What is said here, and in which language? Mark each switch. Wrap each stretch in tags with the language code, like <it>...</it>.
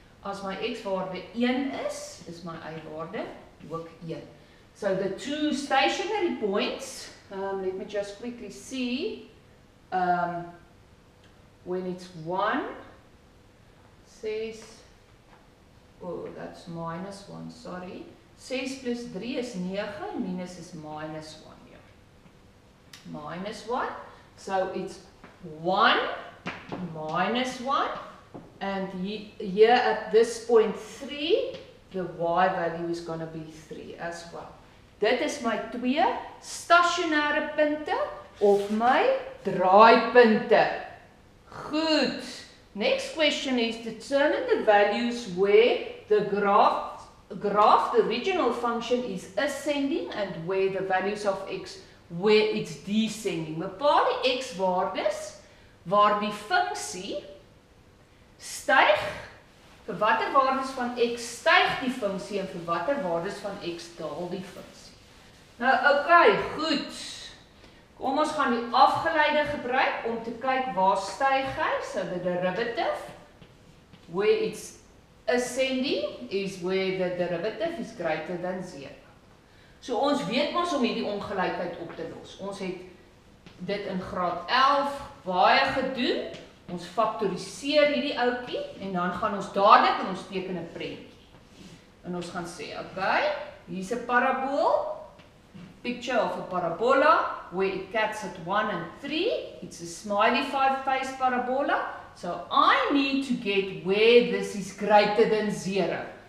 <af>As my x-waarde 1 is, is my y-waarde ook 1.</af> <en>So the two stationary points, let me just quickly see, when it's 1, 6, oh, that's minus 1, sorry. 6 plus 3 is 9, minus is minus 1 here. Minus 1, so it's 1 minus 1, and here at this point 3, the y value is going to be 3 as well.</en> <af>Dit is my twee stationaire punte, of my draaipunte.</af> <en>Goed, next question is, determine the values where the graph the original function is ascending and where the values of x where it's descending.</en> <af>Bepaal die x waardes waar die funksie styg. Vir watter waardes van x styg die funksie en vir watter waardes van x daal die funksie. Nou oké, okay, goed. Kom ons gaan die afgeleide gebruik om te kyk waar styg hy,</af> <en>so the derivative where it's ascending is where the derivative is greater than 0.</en> <af>So ons weet mos om hierdie ongelykheid op te los. Ons het dit in graad 11 baie gedoen. Ons faktoriseer hierdie oukie en dan gaan ons dadelik en ons teken 'n prentjie. En ons gaan sê, okay, hier's 'n parabool.</af> <en>Picture of a parabola where it cuts at 1 and 3. It's a smiley five-faced parabola. So I need to get where this is greater than 0.</en>